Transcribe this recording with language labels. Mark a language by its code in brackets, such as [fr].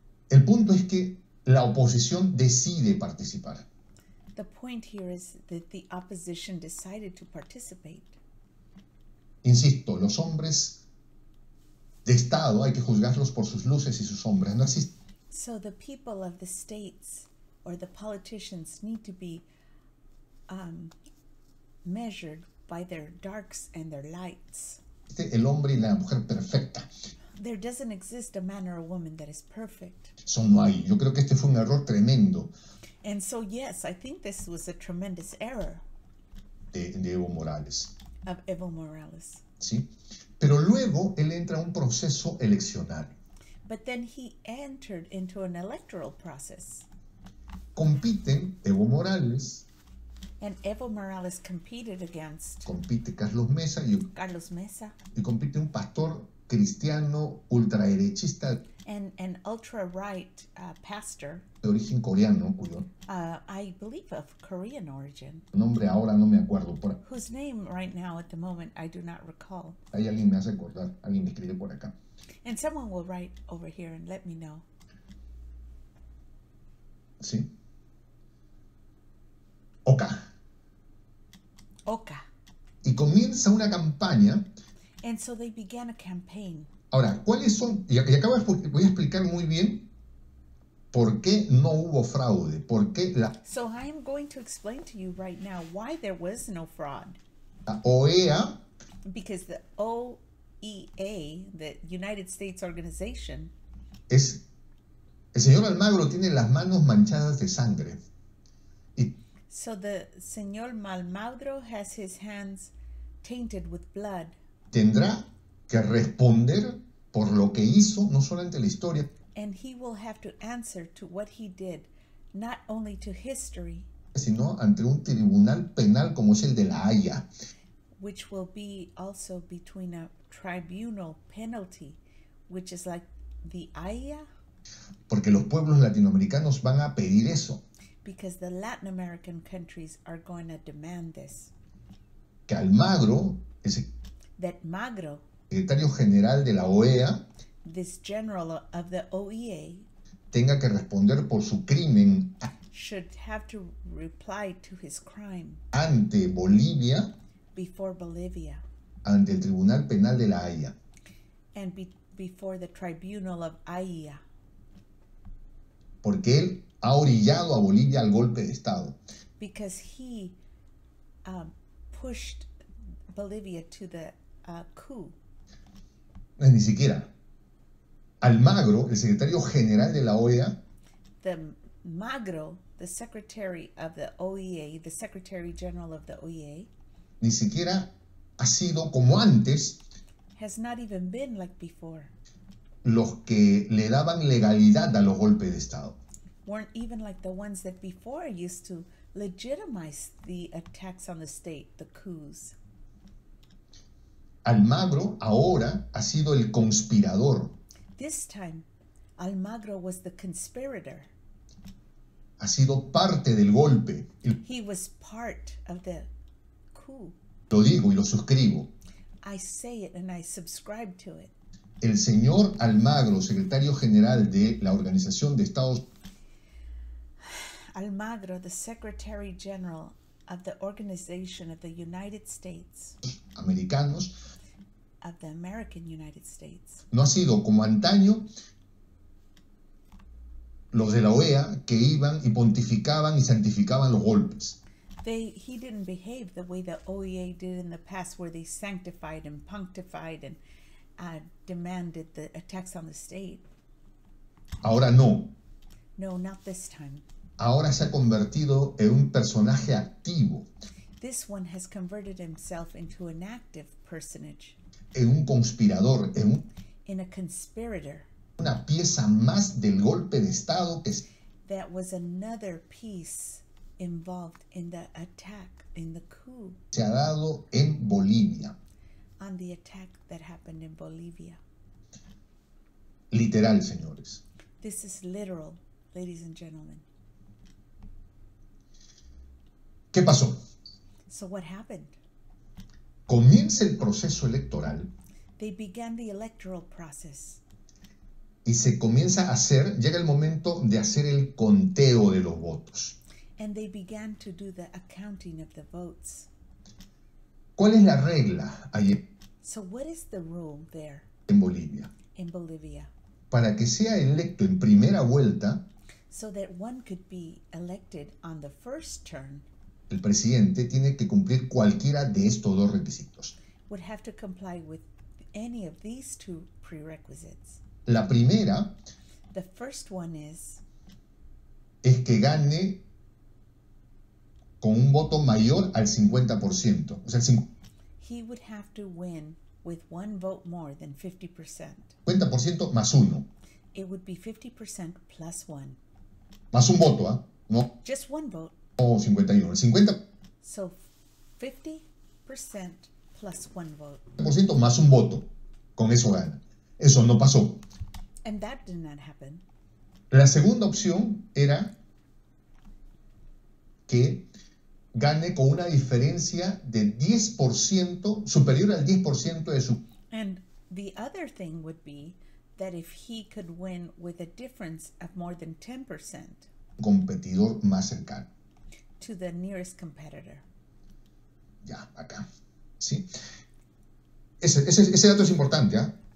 [es] El punto es que la oposición decide participar. [en] The point here is that the opposition decided to participate. [es] Insisto, los hombres de Estado, hay que juzgarlos por sus luces y sus sombras. No existe. [en] So the people of the states or the politicians need to be measured by their darks and their lights. [es] Este, el hombre y la mujer perfecta. [en] There doesn't exist a man or a woman that is perfect. [es] Eso no hay. Yo creo que este fue un error tremendo. [en] And so, yes, I think this was a tremendous error. [es] De Evo Morales. [en] Of Evo Morales. [es] Sí. Pero luego él entra a un proceso eleccional. [en] But then he entered into an electoral process. [es] Compiten Evo Morales. [en] And Evo Morales competed against. [es] Compite Carlos Mesa. [en] Carlos Mesa. [es] Y compite un pastor cristiano ultraderechista. [en] And an ultra-right pastor. [es] De origen coreano, cuyo. [en] I believe of Korean origin. [es] Nombre ahora no me acuerdo. Por, [en] whose name right now at the moment I do not recall. [es] Ahí alguien me hace acordar. Alguien me escribe por acá. [en] And someone will write over here and let me know. [es] Sí. Oka. Oka. Y comienza una campaña. [en] And so they began a campaign. [es] Ahora, ¿cuáles son? Y acabo de, voy a explicar muy bien por qué no hubo fraude. Por qué la... [en] So I am going to explain to you right now why there was no fraud. [es] La OEA. [en] Because the OEA, the United States Organization. [es] Es, el señor Almagro tiene las manos manchadas de sangre. Y, [en] so the señor Almagro has his hands tainted with blood. [es] Tendrá que responder por lo que hizo, no solamente la historia. [en] And he will have to answer to what he did, not only to history. [es] Sino ante un tribunal penal como es el de La Haya. [en] Which will be also between a tribunal penalty, which is like the Haya. [es] Porque los pueblos latinoamericanos van a pedir eso. [en] Because the Latin American countries are going to demand this. [es] Que Almagro, ese... [en] That Magro, [es] secretario general de la OEA, [en] this general of the OEA, [es] tenga que responder por su crimen, [en] should have to reply to his crime, [es] ante Bolivia, [en] before Bolivia, [es] ante el Tribunal Penal de la Haya, [en] and before the Tribunal of Haya, [es] porque él ha orillado a Bolivia al golpe de Estado, [en] because he pushed Bolivia to the coup. [es] Ni siquiera. Almagro, el secretario general de la OEA. [en] The Magro, the secretary of the OEA, the secretary general of the OEA. [es] Ni siquiera ha sido como antes. [en] Has not even been like before. [es] Los que le daban legalidad a los golpes de Estado. [en] Weren't even like the ones that before used to legitimize the attacks on the state, the coups. [es] Almagro ahora ha sido el conspirador. [en] This time, Almagro was the conspirator. [es] Ha sido parte del golpe. [en] He was part of the coup. [es] Lo digo y lo suscribo. [en] I say it and I subscribe to it. [es] El señor Almagro, secretario general de la Organización de Estados. [en] Almagro, the secretary general of the Organization of the United States. [es] Americanos. [en] Of the American United States. [es] No ha sido como antaño los de la OEA que iban y pontificaban y santificaban los golpes. [en] he didn't behave the way the OEA did in the past, where they sanctified and punctified and demanded the attacks on the state. [es] Ahora no. [en] No, not this time. [es] Ahora se ha convertido en un personaje activo. [en] This one has converted himself into an active personage. [es] En un conspirador, en un... [en] In a conspirator. [es] Una pieza más del golpe de Estado que es... [en] That was another piece involved in the attack, in the coup. [es] Se ha dado en Bolivia. [en] On the attack that happened in Bolivia. [es] Literal, señores. [en] This is literal, ladies and gentlemen. [es] ¿Qué pasó? [en] So what happened? [es] Comienza el proceso electoral. [en] They began the electoral process. [es] Y se comienza a hacer, llega el momento de hacer el conteo de los votos. [en] And they began to do the accounting of the votes. [es] ¿Cuál es la regla allí? [en] So what is the rule there? [es] En Bolivia. [en] In Bolivia. [es] Para que sea electo en primera vuelta. [en] So that one could be elected on the first turn. [es] El presidente tiene que cumplir cualquiera de estos dos requisitos. [en] Would have to comply with any of these two prerequisites. [es] La primera. [en] The first one is. [es] Es que gane con un voto mayor al 50%. O sea, [en] he would have to win with one vote more than 50%. [es] 50% más uno. [en] It would be 50% plus one. [es] Más un voto, ¿ah? No. [en] Just one vote. [es] O 51. 50. [en] So 50% plus one vote. [es] 50% más un voto. Con eso gana. Eso no pasó. [en] And that did not happen. [es] La segunda opción era que gane con una diferencia de 10%, superior al 10% de su... [en] And the other thing would be that if he could win with a difference of more than 10%. [es] Competidor más cercano. [en] To the nearest competitor. [es] Ya, acá. Sí. Ese dato es importante, ¿ah?